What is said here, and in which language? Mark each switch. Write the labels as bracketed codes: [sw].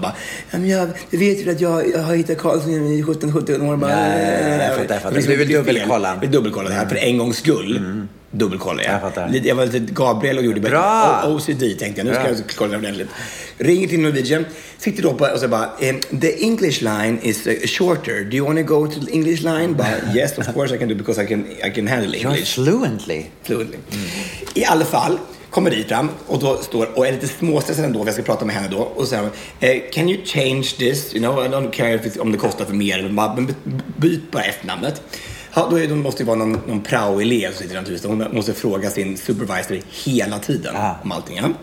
[sv] Bara, jag vet ju att jag har hittat Karlsson i 17 år. Nej, jag fattar. Du vill dubbelkolla. Jag vill dubbelkolla det här för en gångs skull. Dubbelkolla jag. Jag var lite Gabriel och gjorde bra. OCD tänkte jag. Nu ska jag kolla ordentligt. Ringer till Norwegian. Sitter då på och säger bara, [en] the English line is shorter. Do you want to go to the English line? But yes, of course I can do because I can handle English. You're fluently. [sv] I alla fall kommer dit fram och då står och är lite småstressad ändå, vi ska prata med henne då och så här, [en] can you change this, you know, I don't care if [sv] om det kostar för mer, men byt bara efternamnet. Ja, då är, de måste ju vara någon prao-elev som sitter där naturligtvis. Hon måste fråga sin supervisor hela tiden om allting.